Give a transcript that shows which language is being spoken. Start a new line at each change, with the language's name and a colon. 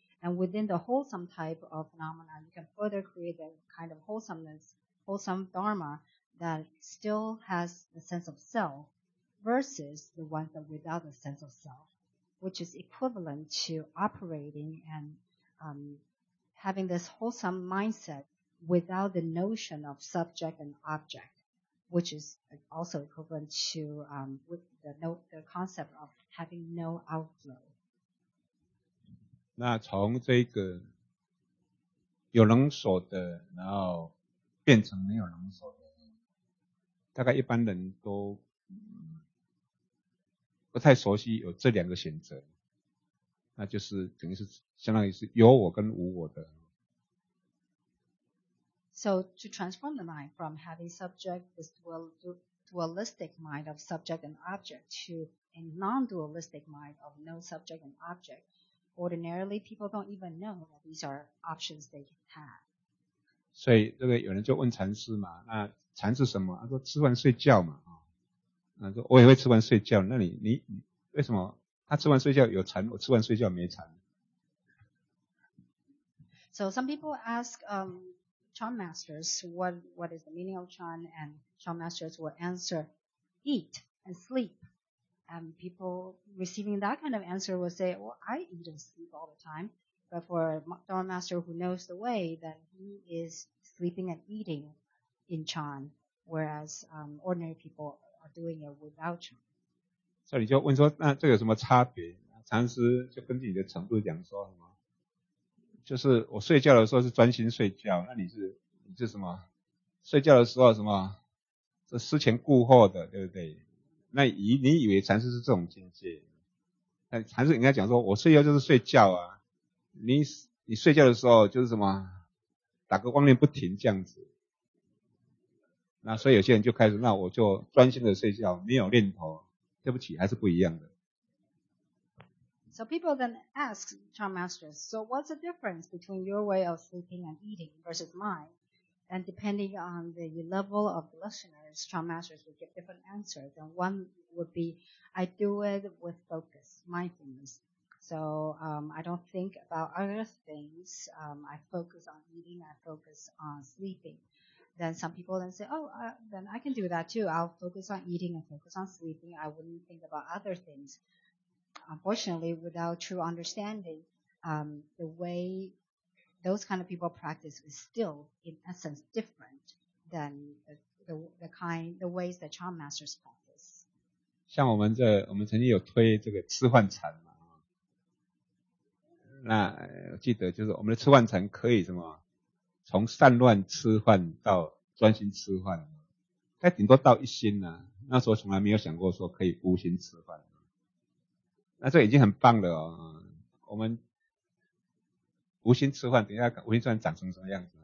English: And within the wholesome type of phenomena, you can further create a kind of wholesomeness, wholesome dharma that still has the sense of self versus the one that without the sense of self, which is equivalent to operating and having this wholesome mindset without the notion of subject and object, which is also equivalent to the concept of having no outflow.
Chinese: 那从这个有能所得，然后变成没有能所得，大概一般人都不太熟悉有这两个选择，那就是等于是相当于是有我跟无我的。
English: So to transform the mind from having subject, this dualistic mind of subject and object, to a non-dualistic mind of no subject and object, ordinarily people don't even know that these are options they have.
Chinese: 所以这个有人就问禅师嘛，那禅是什么？他说吃饭睡觉嘛。他说我也会吃饭睡觉，那你为什么他吃饭睡觉有禅，我吃饭睡觉没禅？
English: So some people ask Chan masters, what is the meaning of Chan? And Chan masters will answer, eat and sleep. And people receiving that kind of answer will say, well, I eat and sleep all the time. But for a Dharma master who knows the way, then he is sleeping and eating in Chan, whereas ordinary people are doing it without Chan. So you just
Chinese: 问说，那这个有什么差别？禅师就根据你的程度讲说什么？就是我睡觉的时候是专心睡觉，那你是什么？睡觉的时候什么？是思前顾后的，对不对？那你以为禅师是这种境界？那禅师应该讲说，我睡觉就是睡觉啊，你睡觉的时候就是什么？打个妄念不停这样子。那所以有些人就开始，那我就专心的睡觉，没有念头。对不起，还是不一样的。
English: So people then ask Chan Masters, so what's the difference between your way of sleeping and eating versus mine? And depending on the level of the listeners, Chan Masters will give different answers. And one would be, I do it with focus, mindfulness. So I don't think about other things. I focus on eating, I focus on sleeping. Then some people then say, then I can do that too. I'll focus on eating and focus on sleeping. I wouldn't think about other things. Unfortunately, without true understanding, the way those kind of people practice is still, in essence, different than the ways that Chan masters practice.
Chinese: 像我们曾经有推这个吃饭禅嘛，那记得就是我们的吃饭禅可以什么，从散乱吃饭到专心吃饭，它顶多到一心呢、啊。那时候从来没有想过说可以无心吃饭。那这已经很棒了哦，我们无心吃饭，等一下无心吃饭长成什么样子？